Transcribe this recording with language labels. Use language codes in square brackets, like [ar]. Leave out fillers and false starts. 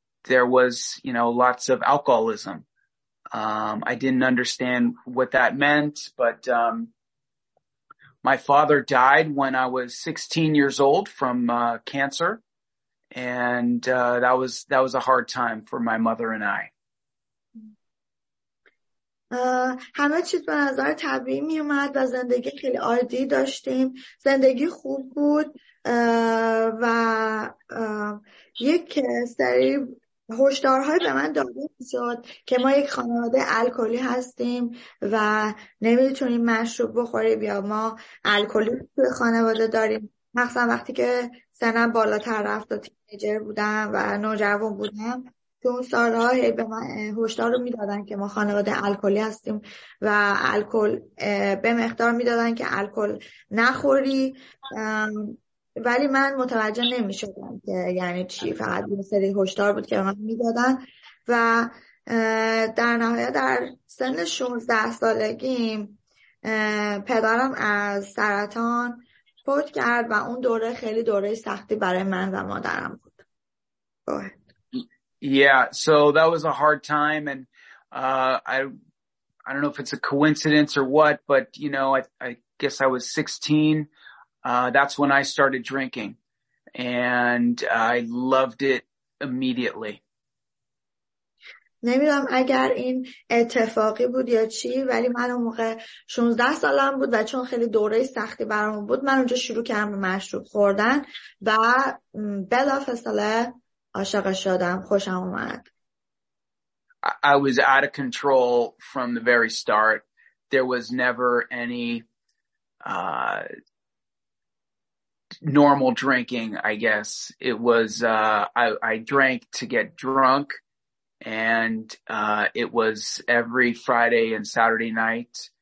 [en] There was, you know, lots of alcoholism. I didn't understand what that meant, but, my father died when I was 16 years old from, cancer. And, that was a hard time for my mother and I. [fa] همه چیز به نظر طبیعی می اومد و زندگی خیلی عادی داشتیم. زندگی خوب بود و یک سری هشدارهای به من داده شد که ما یک خانواده الکلی هستیم و نمیتونیم مشروب بخوریم یا ما الکلی توی خانواده داریم. مخصوصا وقتی که سنم بالاتر رفت و تینیجر بودم و نوجوان بودم. تو اون سالها هی به من هشدار رو میدادن که ما خانواده الکلی هستیم و الکل به مقدار میدادن که الکل نخوری، ولی من متوجه نمیشدم که یعنی چی. فقط یه سری هشدار بود که به من میدادن و در نهایت در سن 16 سالگیم پدرم از سرطان فوت کرد و اون دوره خیلی دوره سختی برای من و مادرم بود. [en] Yeah, so that was a hard time, and I don't know if it's a coincidence or what, but you know, I guess I was 16. That's when I started drinking, and I loved it immediately. [fa] نمیدونم اگر این اتفاقی بود یا چی، ولی من اون موقع 16 سالم بود و چون خیلی دوره سختی برام بود، من اونجا شروع کردم به مشروب خوردن و بلافاصله عاشق شدم، خوشم اومد. [en] I was out of control from the very start. There was never any normal drinking, I guess. It was I drank to get drunk, and it was every Friday and Saturday night.